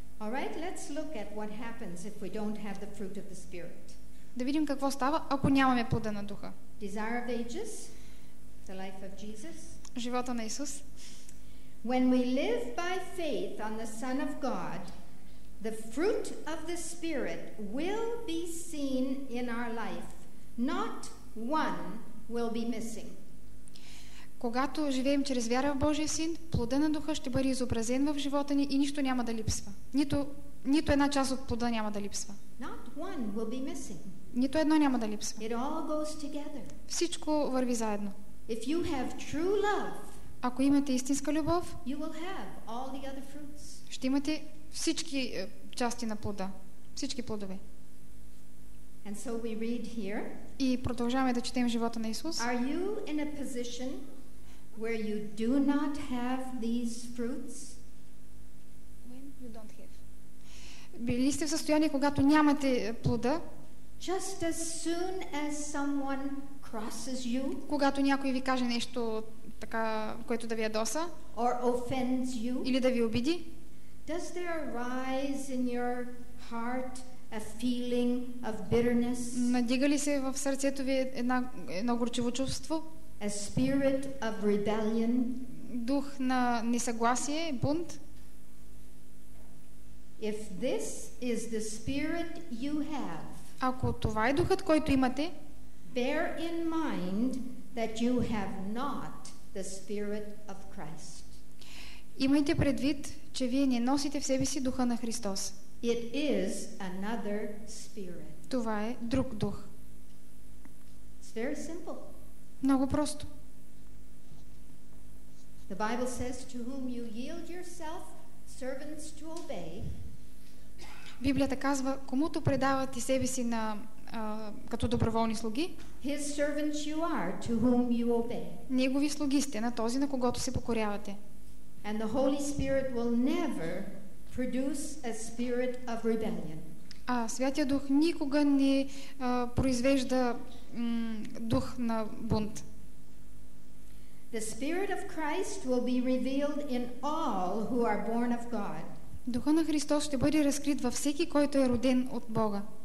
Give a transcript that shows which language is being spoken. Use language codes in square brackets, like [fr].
[en] All right, let's look at what happens if we don't have the fruit of the Spirit. [bg] Да видим какво става, ако нямаме плода на Духа. [en] Desire of ages, the life of Jesus. [bg] Живота на Исус. [en] When we live by faith on the Son of God, the fruit of the Spirit will be seen in our life. Not one will be missing. [bg] Когато живеем чрез вяра в Божия Син, плода на Духа ще бъде изобразен в живота ни и нищо няма да липсва. Нито една част от плода няма да липсва. [en] Not one will be missing. [bg] Нито едно няма да липсва. [en] It all goes together. [bg] Всичко върви заедно. [en] If you have true love, [bg] ако имате истинска любов, [en] you will have all the other fruits. [bg] Ще имате всички части на плода, всички плодове. [en] And so we read here. [bg] И продължаваме да четем живота на Исус. [en] Are you in a position where you do not have these fruits? When you don't have. [bg] Били сте в състояние, когато нямате плода? [en] Just as soon as someone crosses you. [bg] Когато някой ви каже нещо така, което да ви ядоса? [en] Or offends you. [bg] Или да ви обиди? [en] Does there arise in your heart a feeling of bitterness? [bg] Надига ли се в сърцето ви едно горчиво чувство? [en] A spirit of rebellion? [bg] Дух на несъгласие, бунт? [en] If this is the spirit you have, [bg] ако това е духът, който имате, [en] bear in mind that you have not the spirit of Christ. [bg] Имайте предвид, че вие не носите в себе си духа на Христос. [en] It is another spirit. [bg] Това е друг дух. [en] It's very simple. [bg] Много просто. [en] The Bible says, to whom you yield yourself, servants to obey. [bg] Библията казва, комуто предавате себе си на като доброволни слуги, [en] his servants you are, to whom you obey. [bg] Негови слуги сте, на този, на когото се покорявате. [en] And the Holy Spirit will never produce a spirit of rebellion. [bg] А Святия Дух никога не произвежда дух на бунт. [en] The spirit of Christ will be revealed in all who are born of God. [bg] Духът на Христос ще бъде разкрит във всеки, който е роден от Бога.